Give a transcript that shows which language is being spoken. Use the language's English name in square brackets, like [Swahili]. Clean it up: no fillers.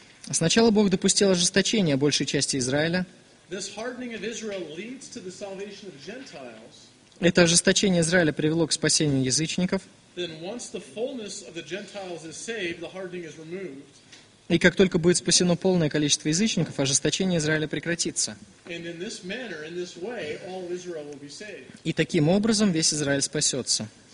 [Russian] Сначала Бог допустил ожесточение большей части Израиля. [English] This hardening of Israel leads to the salvation of Gentiles. [Russian] Это ожесточение Израиля привело к спасению язычников. [English] Then once the fullness of the Gentiles is saved, the hardening is removed. [Russian] И как только будет спасено полное количество язычников, ожесточение Израиля прекратится. [English] And in this manner, in this way, all Israel will be saved. [Russian] И таким образом весь Израиль спасется.